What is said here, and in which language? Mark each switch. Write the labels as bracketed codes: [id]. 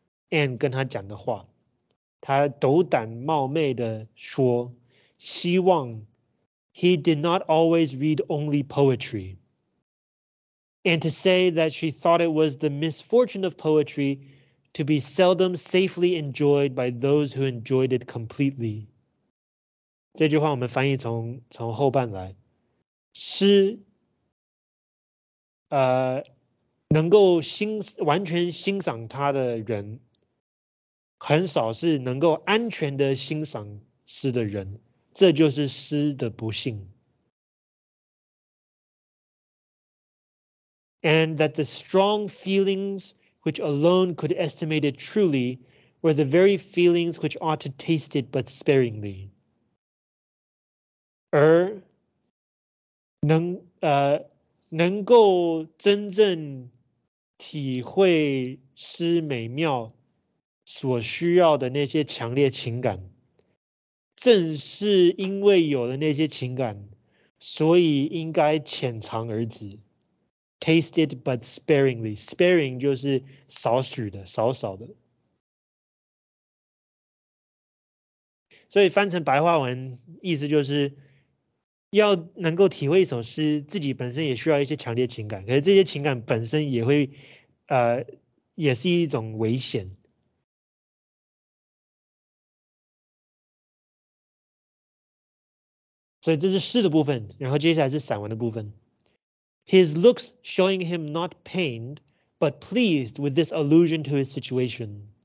[zh] Anne 跟他讲的话，他斗胆冒昧的说，希望 [en] he did not always read only poetry, and to say that she thought it was the misfortune of poetry to be seldom safely enjoyed by those who enjoyed it completely. [zh] 这句话我们翻译从后半来，诗，能够完全欣赏他的人，很少是能够安全的欣赏诗的人，这就是诗的不幸。 [en] And that the strong feelings which alone could estimate it truly were the very feelings which ought to taste it but sparingly. [zh] 而能够真正体会诗美妙所需要的那些强烈情感，正是因为有了那些情感，所以应该浅尝而止。 [en] Taste it but sparingly. [zh] Sparing 就是少许的，少少的。所以翻成白话文，意思就是要能够体会一首诗，自己本身也需要一些强烈情感，可是这些情感本身也会，也是一种危险。所以这是诗的部分，然后接下来是散文的部分。 [en] His looks showing him not pained, but pleased with this allusion to his situation.